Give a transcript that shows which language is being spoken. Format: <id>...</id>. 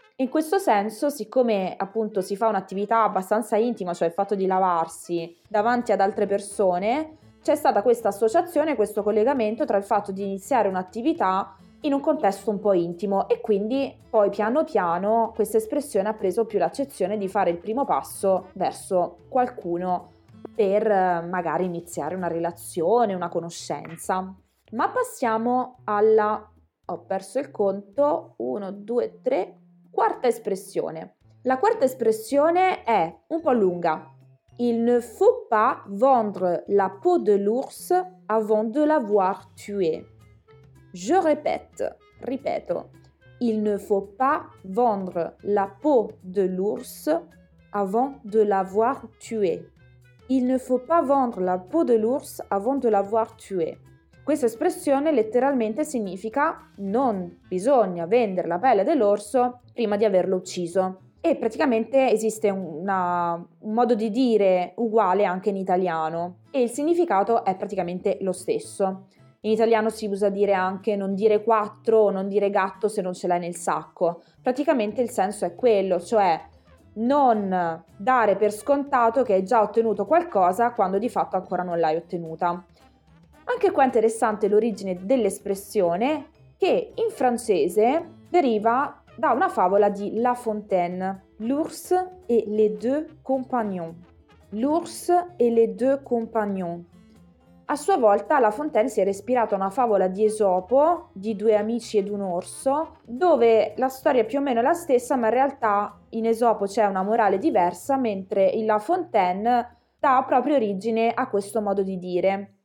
<it>In questo senso, siccome appunto si fa un'attività abbastanza intima, cioè il fatto di lavarsi davanti ad altre persone, c'è stata questa associazione, questo collegamento tra il fatto di iniziare un'attività in un contesto un po' intimo, e quindi poi piano piano questa espressione ha preso più l'accezione di fare il primo passo verso qualcuno per magari iniziare una relazione, una conoscenza. Ma passiamo alla... ho perso il conto... 1, 2, 3... quarta espressione. La quarta espressione è un po' lunga.</it> <fr>Il ne faut pas vendre la peau de l'ours avant de l'avoir tué. Je répète,</fr> <it>ripeto.</it> <fr>Il ne faut pas vendre la peau de l'ours avant de l'avoir tué. Il ne faut pas vendre la peau de l'ours avant de l'avoir tué.</fr> <it>Questa espressione letteralmente significa non bisogna vendere la pelle dell'orso prima di averlo ucciso. E praticamente esiste un modo di dire uguale anche in italiano e il significato è praticamente lo stesso. In italiano si usa dire anche non dire quattro o non dire gatto se non ce l'hai nel sacco. Praticamente il senso è quello, cioè non dare per scontato che hai già ottenuto qualcosa quando di fatto ancora non l'hai ottenuta. Anche qua è interessante l'origine dell'espressione, che in francese deriva da una favola di La Fontaine, L'ours et les deux compagnons.</it> <fr>L'ours et les deux compagnons.</fr> <it>A sua volta La Fontaine si era ispirata a una favola di Esopo, di due amici ed un orso, dove la storia è più o meno la stessa, ma in realtà in Esopo c'è una morale diversa, mentre in La Fontaine dà proprio origine a questo modo di dire.</it>